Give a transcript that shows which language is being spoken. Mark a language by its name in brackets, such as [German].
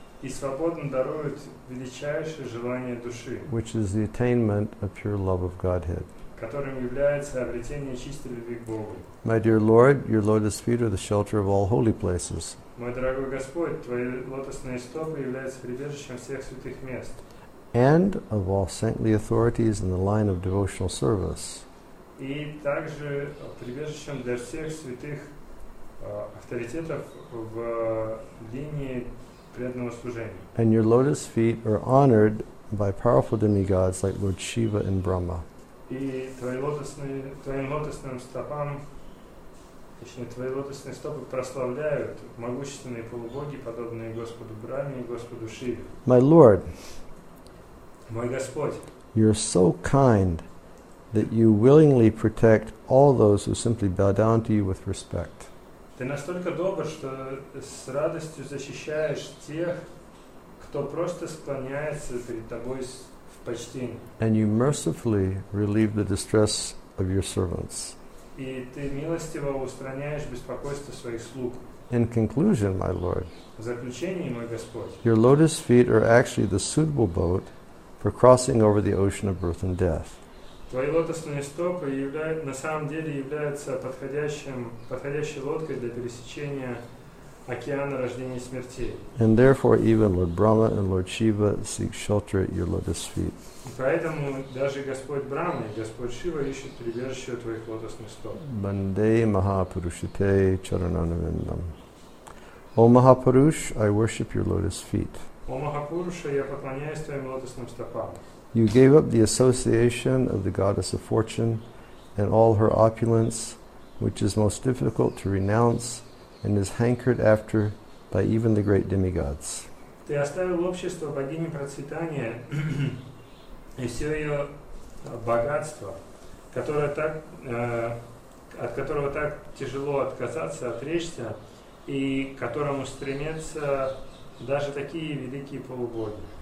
[Russian] И свободно даруют величайшее желание души. [English] Which is the attainment of pure love of Godhead. [Russian] Которым является обретение чистой любви к Богу. [English] My dear Lord, your lotus feet are the shelter of all holy places. [Russian] Мой дорогой Господь, твои лотосные стопы являются прибежищем всех святых мест. [English] And of all saintly authorities in the line of devotional service. [Russian] И также прибежищем для всех святых авторитетов в линии преданного служения. [English] And your lotus feet are honored by powerful demigods like Lord Shiva and Brahma. [Russian] И твоим лотосным стопам, точнее, твои лотосные стопы прославляют могущественные полубоги, подобные Господу Брахме и Господу Шиве. [English] My Lord, [Russian] мой Господь, [English] you're so kind that you willingly protect all those who simply bow down to you with respect. [Russian] Ты настолько добр, что с радостью защищаешь тех, кто просто склоняется перед тобой в почтении. [English] And you mercifully relieve the distress of your servants. [Russian] И ты милостиво устраняешь беспокойство своих слуг. [English] In conclusion, my Lord, [Russian] в заключении, мой Господь, [English] your lotus feet are actually the suitable boat for crossing over the ocean of birth and death. [Russian] Твои лотосные стопы являются, на самом деле являются подходящей лодкой для пересечения океана рождения и смерти. [English] And therefore even Lord Brahma and Lord Shiva seek shelter at your lotus feet. [Russian] И поэтому даже Господь Брама и Господь Шива ищут прибежище у твоих лотосных стоп. [Sanskrit] Банде Махапурушите Чарананавиндам. [English] О Махапуруш, I worship your lotus feet. [Russian] О Махапуруша, я поклоняюсь твоим лотосным стопам. [English] You gave up the association of the goddess of fortune and all her opulence, which is most difficult to renounce and is hankered after by even the great demigods. [Russian] Ты оставил общество богини процветания и все ее богатство, которое так, от которого так тяжело отказаться, отречься, и к которому стремятся даже такие великие полубоги.